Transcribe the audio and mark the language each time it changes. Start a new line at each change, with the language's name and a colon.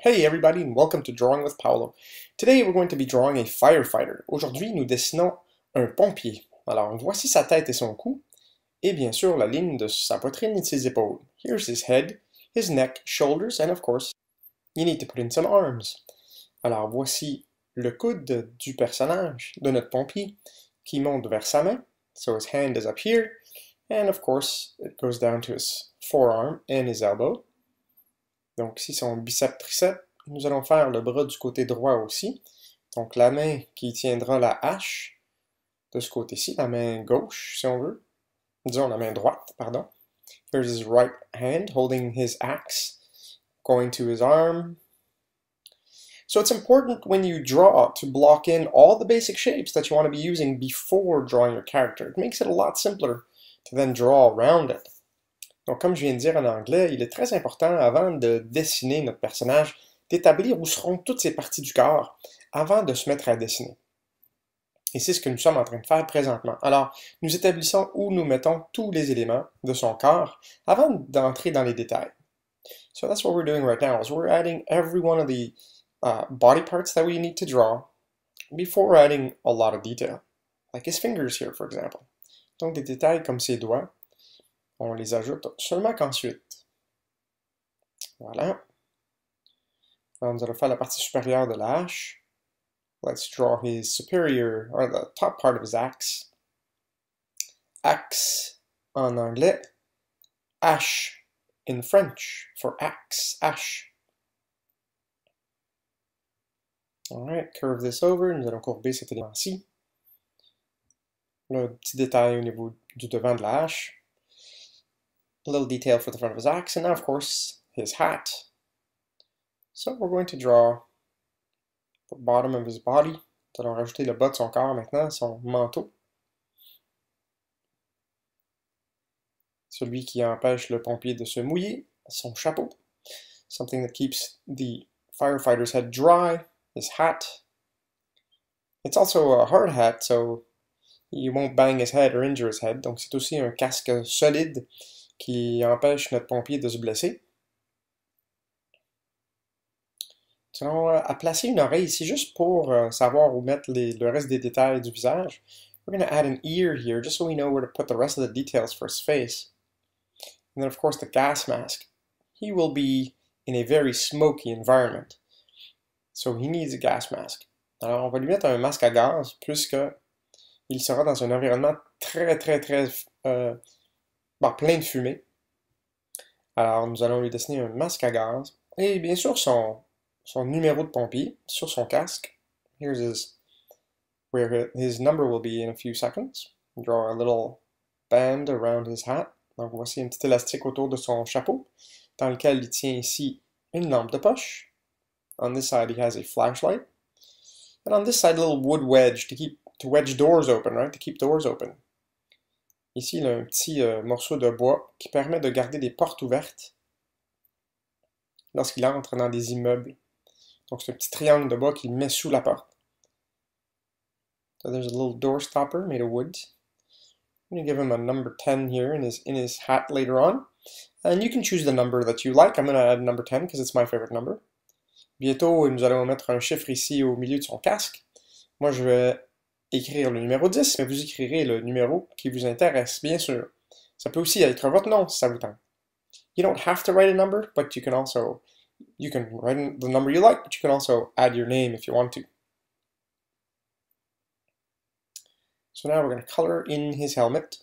English: Hey everybody and welcome to Drawing with Paolo. Today we're going to be drawing a firefighter.
French: Aujourd'hui nous dessinons un pompier. Alors voici sa tête et son cou, et bien sûr la ligne de sa poitrine et ses épaules.
English: Here's his head, his neck, shoulders, and of course, you need to put in some arms.
French: Alors voici le coude du personnage, de notre pompier, qui monte vers sa main.
English: So his hand is up here, and of course, it goes down to his forearm and his elbow.
French: Donc ici son bicep tricep, nous allons faire le bras du côté droit aussi. Donc la main qui tiendra la hache de ce côté-ci, la main gauche si on veut. Disons la main droite, pardon.
English: Here's his right hand holding his axe, going to his arm. So it's important when you draw to block in all the basic shapes that you want to be using before drawing your character. It makes it a lot simpler to then draw around it.
French: Donc, comme je viens de dire en anglais, il est très important, avant de dessiner notre personnage, d'établir où seront toutes ses parties du corps, avant de se mettre à dessiner. Et c'est ce que nous sommes en train de faire présentement. Alors, nous établissons où nous mettons tous les éléments de son corps, avant d'entrer dans les détails.
English: So that's what we're doing right now, is we're adding every one of the body parts that we need to draw, before adding a lot of detail. Like his fingers here, for example.
French: Donc, des détails comme ses doigts. On les ajoute seulement qu'ensuite. Voilà. Alors, nous allons faire la partie supérieure de la hache.
English: Let's draw his superior, or the top part of his axe. Axe en anglais. Ash in French for axe. Ash. Alright, curve this over.
French: Nous allons courber cet élément-ci. Le petit détail au niveau du devant de la hache.
English: A little detail for the front of his axe, and now, of course, his hat. So we're going to draw the bottom of his body.
French: Nous allons rajouter le bas de son corps maintenant, son manteau. Celui qui empêche le pompier de se mouiller, son chapeau.
English: Something that keeps the firefighter's head dry, his hat. It's also a hard hat, so he won't bang his head or injure his head.
French: Donc c'est aussi un casque solide qui empêche notre pompier de se blesser. Nous allons placer une oreille ici juste pour savoir où mettre le reste des détails du visage.
English: We're going to add an ear here just so we know where to put the rest of the details for his face. And then of course the gas mask. He will be in a very smoky environment. So he needs a gas mask.
French: Alors on va lui mettre un masque à gaz puisque il sera dans un environnement très très très plein de fumée. Alors, nous allons lui dessiner un masque à gaz. Et bien sûr, son numéro de pompier sur son casque.
English: Here's where his number will be in a few seconds. Draw a little band around his hat.
French: Donc, voici un petit élastique autour de son chapeau, dans lequel il tient ici une lampe de poche.
English: On this side, he has a flashlight. And on this side, a little wood wedge to wedge doors open, right? To keep doors open.
French: Ici, il a un petit morceau de bois qui permet de garder des portes ouvertes lorsqu'il entre dans des immeubles. Donc, c'est un petit triangle de bois qu'il met sous la porte.
English: So, there's a little door stopper made of wood. I'm going to give him a number 10 here in his hat later on. And you can choose the number that you like. I'm going to add number 10 because it's my favorite number.
French: Bientôt, nous allons mettre un chiffre ici au milieu de son casque. Moi, je vais écrire le numéro 10, mais vous écrirez le numéro qui vous intéresse, bien sûr. Ça peut aussi être votre nom, si ça vous tente.
English: You don't have to write a number, but you can write the number you like, but you can also add your name if you want to. So now we're going to color in his helmet.